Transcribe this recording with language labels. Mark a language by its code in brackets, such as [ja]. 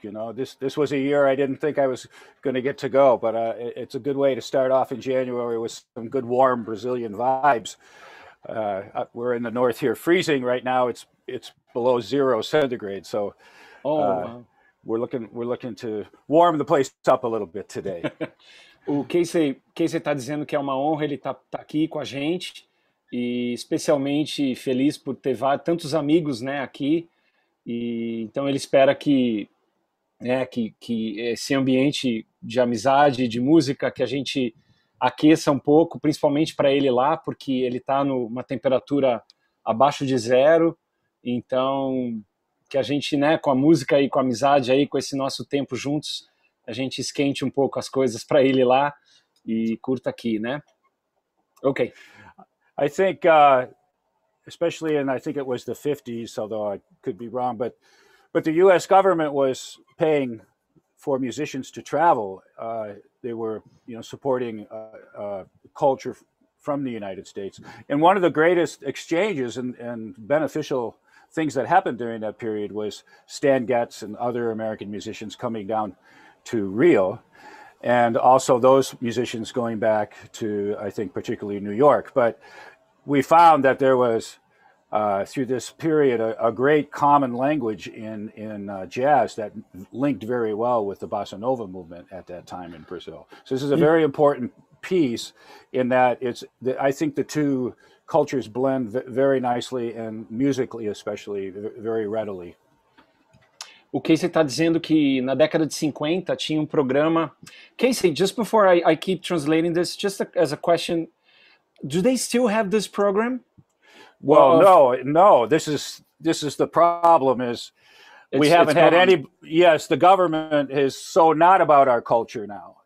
[en] You know, this was a year I didn't think I was going to get to go, but it's a good way to start off in January with some good warm Brazilian vibes. We're in the north here, freezing right now. It's below 0 centigrade, so we're looking to warm the place up a little bit today. [pt] O Casey está dizendo que é uma honra ele tá aqui com a gente. E especialmente feliz por ter tantos amigos, né, aqui. E então ele espera que, né, que esse ambiente de amizade, de música, que a gente aqueça um pouco, principalmente para ele lá, porque ele está numa temperatura abaixo de zero. Então, que a gente, né, com a música e com a amizade aí, com esse nosso tempo juntos, a gente esquente um pouco as coisas para ele lá e curta aqui, né? Ok. [en] I think, especially in, I think it was the 50s, although I could be wrong, but the U.S. government was paying for musicians to travel. They were, you know, supporting culture from the United States. And one of the greatest exchanges and beneficial things that happened during that period was Stan Getz and other American musicians coming down to Rio, and also those musicians going back to, I think, particularly New York. But we found that there was, through this period, a great common language in jazz that linked very well with the bossa nova movement at that time in Brazil. So this is a very important piece in that it's, I think the two cultures blend very nicely and musically especially very readily. [pt] O Casey está dizendo que na década de 50 tinha um programa. [en] Casey, just before I keep translating this, just as a question, do they still have this program? Well, no. This is the problem is we haven't had any. Yes, the government is so not about our culture now.